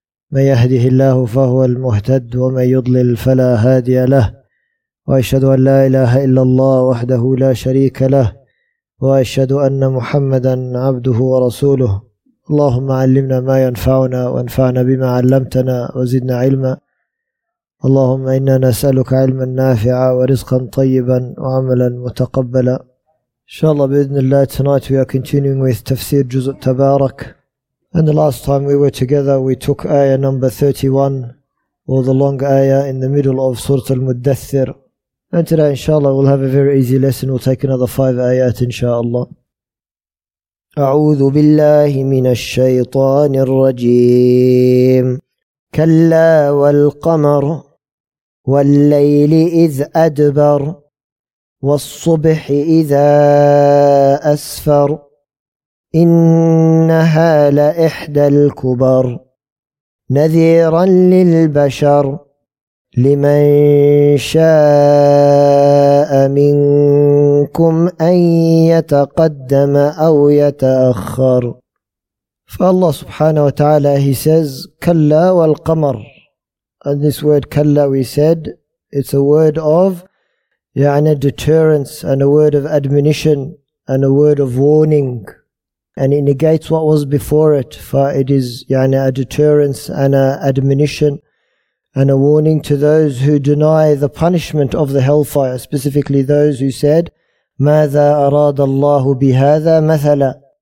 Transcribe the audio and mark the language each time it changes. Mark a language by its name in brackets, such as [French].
[Arabic] من يهده الله فهو المهتد ومن يضلل فلا هادي له وأشهد أن لا إله إلا الله وحده لا شريك له وأشهد أن محمدا عبده ورسوله اللهم علمنا ما ينفعنا وانفعنا بما علمتنا وزدنا علما اللهم إنا نسألك علما نافعا ورزقا طيبا وعملا متقبلا إن شاء الله بإذن الله. [English] Tonight we are continuing with Tafseer جزء تبارك. And the last time we were together we took ayah number 31, or the long ayah in the middle of Surat al-Muddathir. And today inshallah we'll have a very easy lesson, we'll take another 5 ayat inshallah. [Arabic] أعوذ بالله من الشيطان الرجيم كلا والقمر والليل إذ أدبر والصبح إذا أسفر إنها لإحدى الكبر نذيرا للبشر لمن شاء منكم أن يتقدم أو يتأخر. فالله سبحانه وتعالى, [English] he says [Arabic] كلا والقمر. [English] And this word كلا, we said it's a word of يعني deterrence and a word of admonition and a word of warning, and it negates what was before it. فIt is يعني a deterrence and a admonition and a warning to those who deny the punishment of the hellfire, specifically those who said, [Arabic] مَاذَا أَرَادَ اللَّهُ بِهَذَا مَثَلًا.